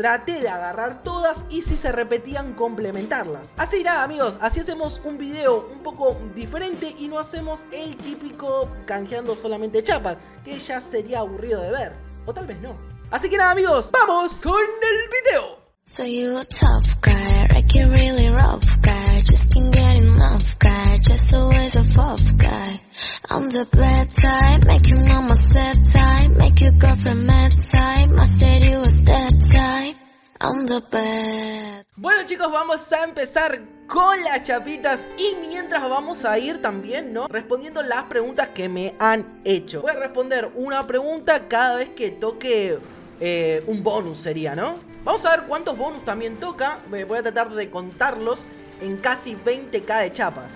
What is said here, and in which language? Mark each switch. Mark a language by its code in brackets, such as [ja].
[es] Traté de agarrar todas y si se repetían, complementarlas. Así nada, amigos, así hacemos un video un poco diferente y no hacemos el típico canjeando solamente chapas, que ya sería aburrido de ver. O tal vez no. Así que nada, amigos, ¡vamos con el video! [en] So you a tough guy, like you're really rough guy. Just can't get enough guy, just always a tough guy. I'm the bad type, make your mama sad type. Make your girlfriend mad type, I said you was that type. I'm the bad. [es] Bueno chicos, vamos a empezar con las chapitas y mientras vamos a ir también, ¿no?, respondiendo las preguntas que me han hecho. Voy a responder una pregunta cada vez que toque un bonus sería, ¿no? Vamos a ver cuántos bonus también toca. Voy a tratar de contarlos en casi 20k de chapas.